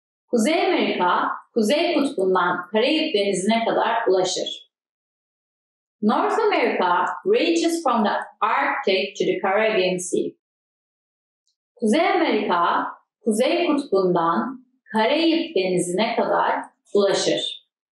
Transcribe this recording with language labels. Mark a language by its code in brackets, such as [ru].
[tr] Kuzey Amerika, Kuzey Kutbu'ndan Karayip Denizi'ne kadar ulaşır. [en] North America reaches from the Arctic to the Caribbean Sea. [tr] Kuzey Amerika, Kuzey Kutbu'ndan Karayip Denizi'ne kadar ulaşır.